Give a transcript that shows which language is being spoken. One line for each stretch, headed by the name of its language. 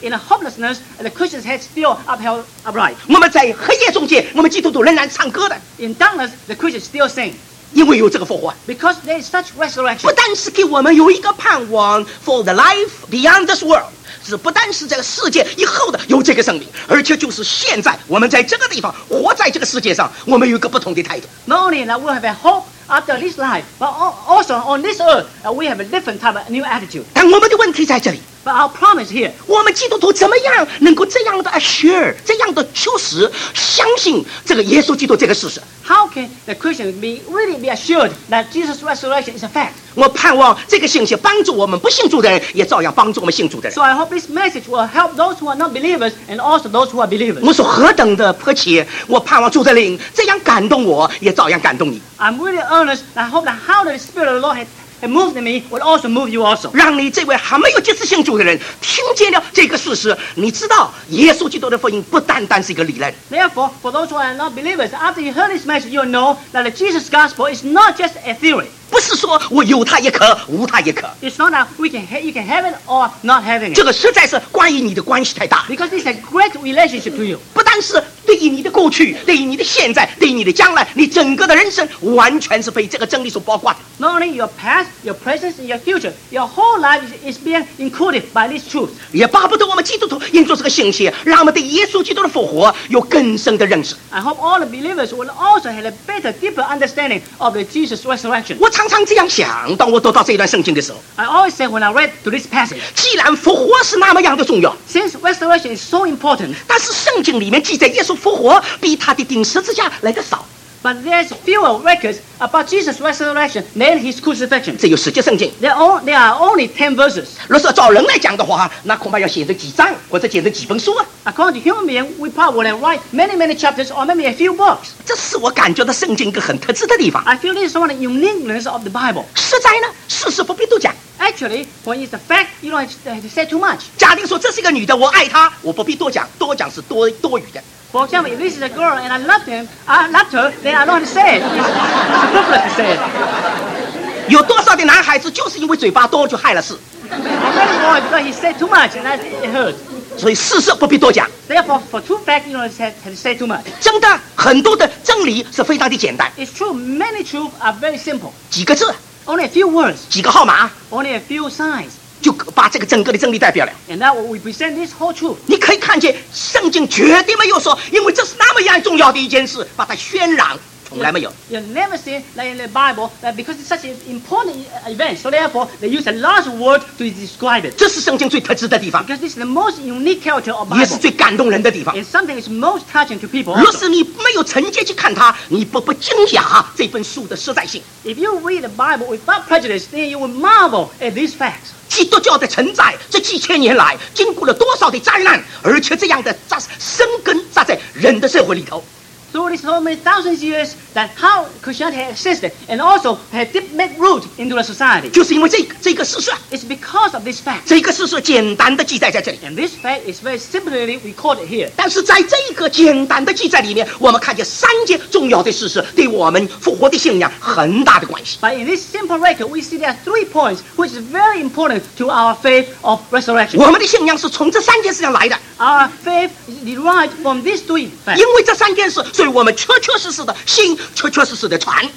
English: In a hopelessness, the Christian's head still upheld upright.
Chinese: 我们在黑夜中间，我们基督徒仍然唱歌的。
English: In darkness, the Christian still sing.
Chinese: 因为有这个复活。
English: Because there is such resurrection.
Chinese: 不但是给我们有一个盼望
English: for the life beyond this world.
Chinese: 是不单是这个世界以后的有这个生命，而且就是现在我们在这个地方活在这个世界上，我们有一个不同的态度。
English: Not only that we have a hope after this life, but also on this earth we have a different type of new attitude.
Chinese: 但我们的问题在这里。
English: But our problem is here.
Chinese: 我们基督徒怎么样能够这样的 assure, 这样的确实相信这个耶稣基督这个事实？
English: How can the Christian really be assured that Jesus' resurrection is a fact?
Chinese: 我盼望这个信息帮助我们不信主的人，也照样帮助我们信主的人。
English: So I hope this message will help those who are not believers and also those who are believers.
Chinese: 我说何等的迫切，我盼望主的灵这样感动我，也照样感动你。
English: I'm really earnest. I hope that how the Spirit of the Lord has It moved me, would also move you also.
Chinese: 让你这位还没有接受信主的人听见了这个事实，你知道耶稣基督的福音不单单是一个理论。
English: Therefore, for those who are not believers, after you heard this message, you'll know that the Jesus gospel is not just a theory.
Chinese: 不是说我有他也可，无他也可。
English: It's not that you can have it or not having it.
Chinese: 这个实在是关于你的关系太大。
English: Because it's a great relationship to you.
Chinese: 不单但是对于你的过去，对于你的现在，对于你的将来，你整个的人生完全是被这个真理所包括的。
English: Not only your past, your present, and your future, your whole life is being included by this truth.
Chinese: 也巴不得我们基督徒因着这个信息，让我们对耶稣基督的复活有更深的认识。
English: I hope all the believers will also have a better, deeper understanding of the Jesus resurrection.
Chinese: 我常常这样想，当我读到这一段圣经的时候。
English: I always say when I read to this passage.
Chinese: 既然复活是那么样的重要。
English: Since resurrection is so important.
Chinese: 但是圣经里面记载耶稣复活比他的钉十字架来得少。
English: But there's fewer records about Jesus' resurrection than his crucifixion.
Chinese: 只有十节圣经。
English: There are only 10 verses.
Chinese: 若是照人来讲的话，那恐怕要写着几章，或者写着几本书啊。
English: According to human being, we probably write many, many chapters or maybe a few books.
Chinese: 这是我感觉到圣经一个很特质的地方。
English: I feel this is one of the uniqueness of the Bible.
Chinese: 实在呢，事实不必多讲。
English: Actually, when it's a fact, you don't have to say too much.
Chinese: 假定说这是一个女的，我爱她，我不必多讲，多讲是多余的。
English: For example, if this is a girl and I loved her, then I don't have to say it. It's superfluous to say it.
Chinese: 有多少的男孩子就是因为嘴巴多就害了事。
English: How many boys because he said too much and that it hurts.
Chinese: 所以事实不必多讲。
English: Therefore, for two facts, you don't have to say too much.
Chinese: 真的，很多的真理是非常的简单。
English: It's true, many truths are very simple.
Chinese: 几个字。
English: Only a few words.
Chinese: 几个号码。
English: Only a few signs.
Chinese: 就把这个整个的真理代表了。
English: And that we present this whole truth.
Chinese: 你可以看见，圣经绝对没有说，因为这是那么样重要的一件事，把它渲染，从来没有。
English: You never see that in the Bible that because it's such an important event, so therefore they use a large word to describe it.
Chinese: 这是圣经最特质的地方。
English: Because this is the most unique character of Bible.
Chinese: 也是最感动人的地方。
English: It's something that's most touching to people.
Chinese: 若是你没有承接去看它，你不惊讶这本书的实在性。
English: If you read the Bible without prejudice, then you will marvel at these facts.
Chinese: 基督教的承载，这几千年来经过了多少的灾难，而且这样的生根扎在人的社会里头。
English: So it is so many thousands of years that how Christianity existed and also had deep made root into the society.
Chinese: 就是因为这个事实。
English: It's because of this fact.
Chinese: 这个事实简单的记载在这里。
English: And this fact is very simply recorded here.
Chinese: 但是在这个简单的记载里面，我们看见三件重要的事实对我们复活的信仰很大的关系。
English: But in this simple record, we see there are three points which is very important to our faith of resurrection.
Chinese: 我们的信仰是从这三件事上来的。
English: Our faith derived from these three facts.
Chinese: 因为这三件事。所以我们确确实实的信，确确实实的传。